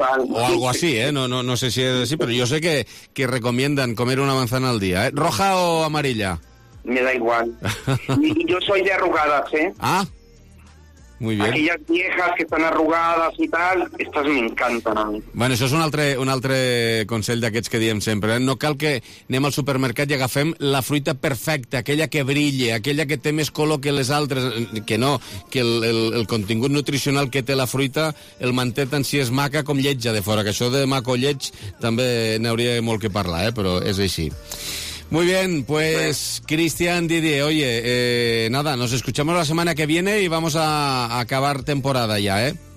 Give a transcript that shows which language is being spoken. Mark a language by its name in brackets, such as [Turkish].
[Spanish] Total. O algo así, ¿eh? No sé si es así, pero yo sé que recomiendan comer una manzana al día, ¿eh? ¿Roja o amarilla? Me da igual. Y yo soy de arrugadas, ¿eh? Ah, muy bien. Aquellas viejas que están arrugadas y tal, estas me encantan a mí. [Catalan] Bueno, això és un altre consell d'aquests que diem sempre, eh? No cal que anem al supermercat i agafem la fruita perfecta, aquella que brille, aquella que té més color que les altres, que no, que el contingut nutricional que té la fruita el manté tant si és maca com lletja de fora, que això de maco lletj també n'hauria molt que parlar, eh? Però és així. [Spanish] Muy bien, pues Cristian, Didier, oye, nada, nos escuchamos la semana que viene y vamos a acabar temporada ya, ¿eh?